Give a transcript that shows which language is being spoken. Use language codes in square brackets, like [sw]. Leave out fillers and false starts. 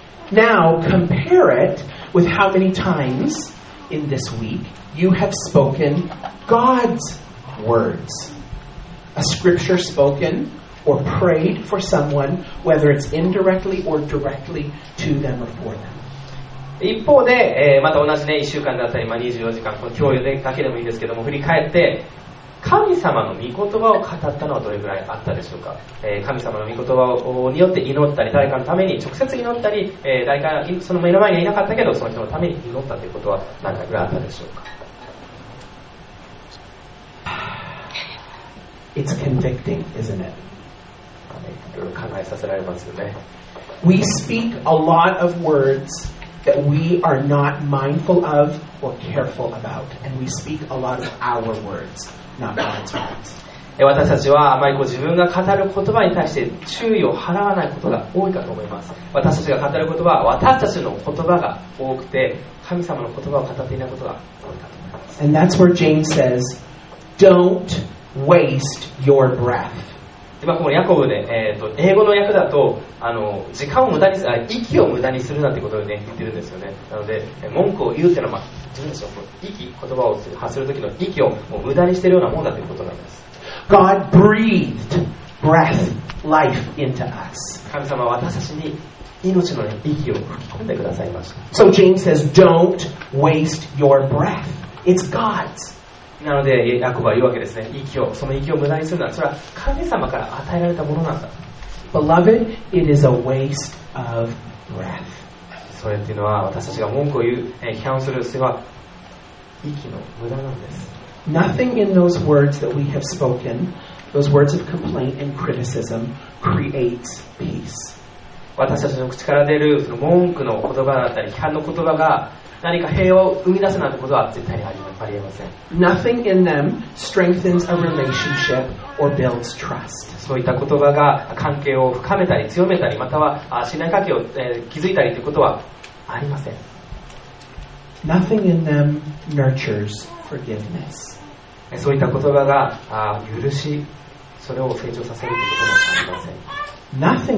[en] Now, compare it with how many times in this week you have spoken God's words. A scripture spoken or prayed for someone, whether it's indirectly or directly to them or for them. [ja] 一方で、また同じね1週間だったり、まあ、24時間この共有だけでもいいんですけども振り返って神様の御言葉を語ったのはどれぐらいあったでしょうか、神様の御言葉をによって祈ったり誰かのために直接祈ったり、誰かその目の前にはいなかったけどその人のために祈ったということは何回ぐらいあったでしょうか。 [en] It's convicting, isn't [ja] it? いろいろ考えさせられますよね。 [en] We speak a lot of wordsThat we are not mindful of or careful about, and we speak a lot of our words, not God's words. [ja] 私たちはあまりこう自分が語る言葉に対して注意を払わないことが多いかと思います。私たちが語る言葉は私たちの言葉が多くて、神様の言葉を語っていないことが多いかと思います。 [en] And that's where James says, "Don't waste your breath." [ja] 今このヤコブで、英語の訳だと。あの時間を無駄にする息を無駄にするなんてことを、ね、言ってるんですよね。なので文句を言うっていうのは、まあ、自分でしょう息言葉を発する時の息をもう無駄にしているようなものだということなんです。 [en] God breathed breath life into us. [ja] 神様は私たちに命の、ね、息を吹き込んでくださいました。 [en] So James says don't waste your breath. It's God's. [ja] なのでヤコブは言うわけですね。息をその息を無駄にするのはそれは神様から与えられたものなんだ。 [en] Beloved, it is a waste of breath. [ja] それっていうのは私たちが文句を言う、批判する姿は息の無駄なんです。 [en] Nothing in those words that we have spoken, those words of complaint and criticism, creates peace. [ja] 私たちの口から出るその文句の言葉だったり批判の言葉が何か平和を生み出すなんてことは絶対にありえません。 [en] Nothing in them strengthens a relationship or builds trust. [ja] そういった言葉が関係を深めたり強めたりまたは信頼関係を築いたりということはありません。 [en] Nothing in them nurtures forgiveness. [ja] そういった言葉が許し、それを成長させるということはありません。